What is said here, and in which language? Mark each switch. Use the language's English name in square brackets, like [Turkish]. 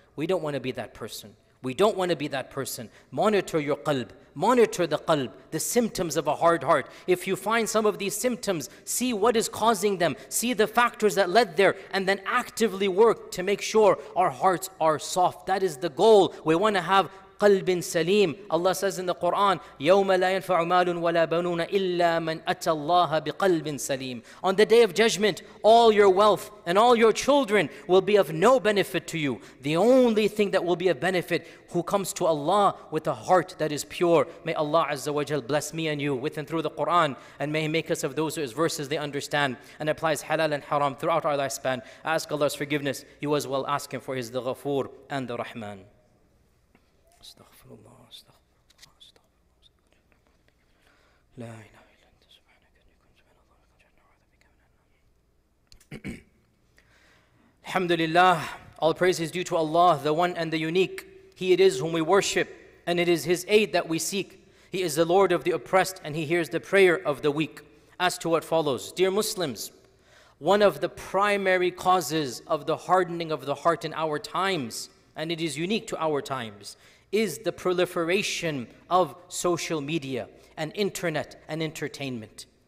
[English] We don't want to be that person. We don't want to be that person. Monitor your qalb. Monitor the qalb, the symptoms of a hard heart. If you find some of these symptoms, see what is causing them. See the factors that led there, and then actively work to make sure our hearts are soft. That is the goal. We want to have qalbin salim. Allah says in the Quran, [Arabic] يَوْمَ لَا يَنْفَعُ مَالٌ وَلَا بَنُونَ إِلَّا مَنْ أَتَى اللَّهَ بِقَلْبٍ سَلِيمٍ. [English] On the Day of Judgment, all your wealth and all your children will be of no benefit to you. The only thing that will be of benefit, who comes to Allah with a heart that is pure. May Allah Azza wa Jal bless me and you with and through the Quran, and may He make us of those whose verses they understand and applies halal and haram throughout our lifespan. I ask Allah's forgiveness. You as well ask Him for His the Ghafoor and the Rahman. [Arabic] استغفر الله استغفر الله استغفر الله استغفر الله لا إله إلا أنت سبحانك إني كنت من الظالمين أعوذ بك من النار الحمد لله. [English] All praise is due to Allah, the One and the Unique. He it is whom we worship, and it is His aid that we seek. He is the Lord of the oppressed, and He hears the prayer of the weak. As to what follows, dear Muslims, one of the primary causes of the hardening of the heart in our times, and it is unique to our times, is the proliferation of social media and internet and entertainment.